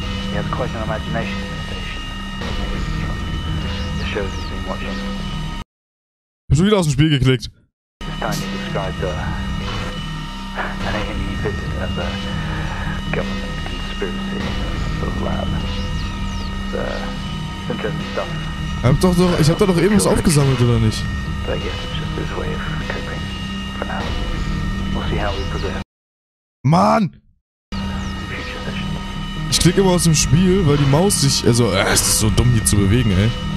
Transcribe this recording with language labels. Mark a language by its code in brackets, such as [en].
[en] He has quite an imagination, the show he's been watching. [de] Ich hab schon wieder aus dem Spiel geklickt. [en] This time he described an alien he visited as a government conspiracy sort of lab. It's interesting stuff. [de] Ich hab da doch eben was aufgesammelt, oder nicht? [en] But I guess it's just his way of coping. For now, we'll see how we progress. [de] Mann! flieg immer aus dem Spiel, weil die Maus sich... Also, es ist so dumm hier zu bewegen, ey.